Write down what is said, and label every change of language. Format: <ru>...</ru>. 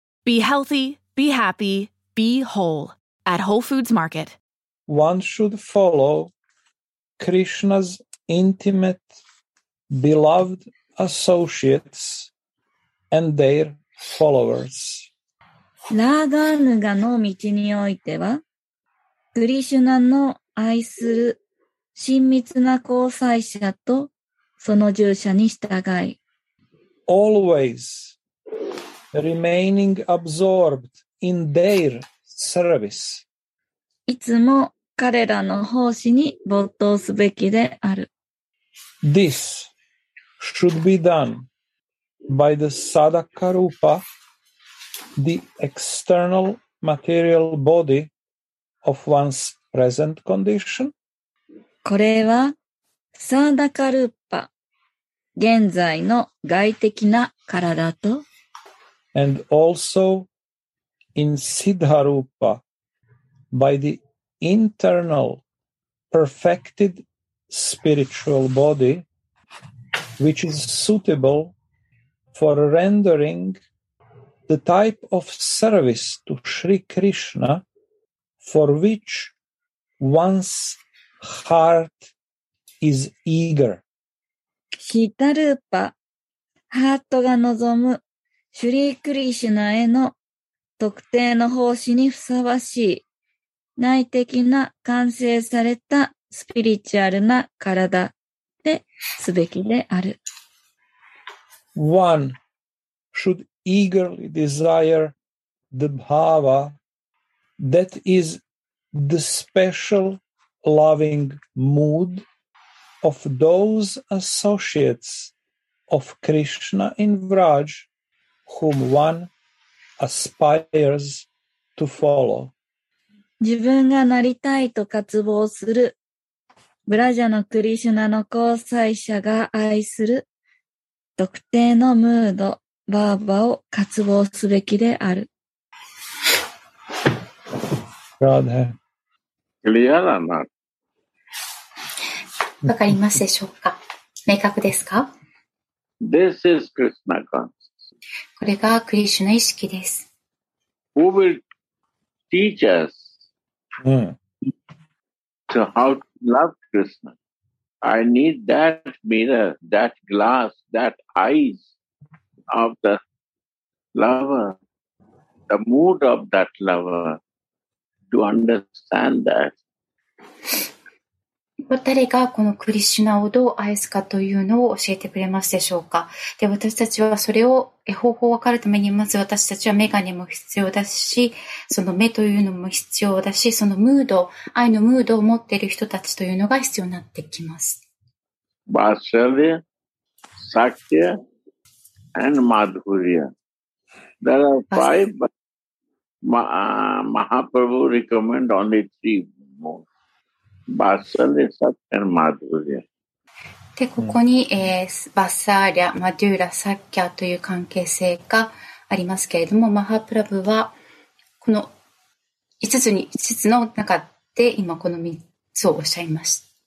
<en>Be healthy, be happy, be whole at Whole Foods Market. One should follow Krishna's intimate, beloved associates and their followers.</en> <ja>ラーガヌガの道においては、クリシュナの愛する親密な交際者とその従者に従い。</ja> <en>Always remaining absorbed in their service.</en> <ja>いつも彼らの奉仕に没頭すべきである。</ja> <en>This should be done by the Sadaka Rupa, the external material body of one's present condition.</en> <ja>これはサーダカルーパ、現在の外的な体と、</ja> <en>and also in Siddharupa by the internal perfected spiritual body, which is suitable for rendering the type of service to Sri Krishna for which one'sHeart is eager.</en> <ja>シッダルーパ、ハートが望むシュリー・クリシュナへの特定の奉仕にふさわしい内的な完成されたスピリチュアルな体ですべきである。</ja> <en>One should eagerly desire the bhava that is the specialloving mood of those associates of Krishna in Vraj whom one aspires to follow.</en> <ja>自分がなりたいと渇望するブラジャのクリシュナの交際者が愛する特定のムードバーバを渇望すべきである。</ja> <sa>ラーデ</sa> <ja>クリアだな。わかりますでしょうか。明確ですか。</ja> <en>This is Krishna consciousness.</en> <ja>これがクリシュナ意識です。</ja> <en>Who will teach us to how to love Krishna? I need that mirror, that glass, that eyes of the lover, the mood of that lover to understand that.</en> <ja>誰がこのクリシュナをどう愛すかというのを教えてくれますでしょうか。で、私たちはそれを方法を分かるために、まず私たちはメガネも必要だし、その目というのも必要だし、そのムード、愛のムードを持っている人たちというのが必要になってきます。</ja> <sa>バーシャリア、サクティア、and マドフリア。</sa> <en>There are five, but Mahaprabhu recommend only three more.</en> <sa>バッサリサッキャンマドゥーリア。</sa> <ja>で、ここに、バッサーリア、マドゥーラ、サッキャという関係性がありますけれども、マハプラブは、この5つの中で、今この3つをおっしゃいまし</ja>